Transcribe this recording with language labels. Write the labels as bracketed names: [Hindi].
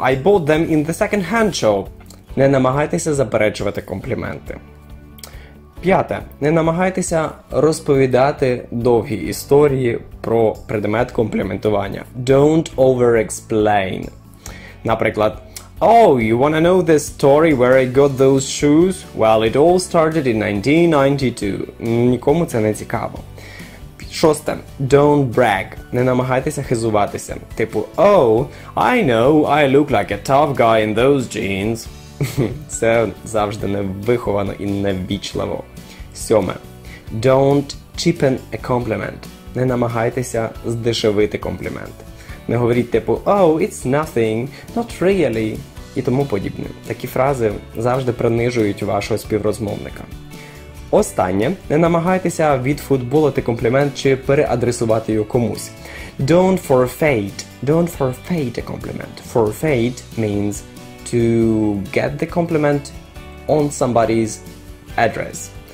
[English] I bought them in the second-hand shop». [Ukrainian] Не намагайтеся заперечувати компліменти. П'яте. Не намагайтеся розповідати довгі історії про предмет компліментування. [English] Don't over-explain. [Ukrainian] Наприклад, [English] Oh, you wanna know the story where I got those shoes? Well, it all started in 1992. [Ukrainian] Нікому це не цікаво. Шосте. [English] Don't brag. [Ukrainian] Не намагайтеся хизуватися. Типу, [English] Oh, I know, I look like a tough guy in those jeans. [Ukrainian] Це завжди невиховано і неввічливо. Сьоме. [English] Don't cheapen a compliment. [Ukrainian] Не намагайтеся здешевити комплімент. Не говоріть типу [English] «Oh, it's nothing», «Not really» [Ukrainian] і тому подібне. Такі фрази завжди принижують вашого співрозмовника. Останнє. Не намагайтеся відфутболити комплімент чи переадресувати його комусь. [English] Don't forfeit. Don't forfeit a compliment. Forfeit means to get the compliment on somebody's address.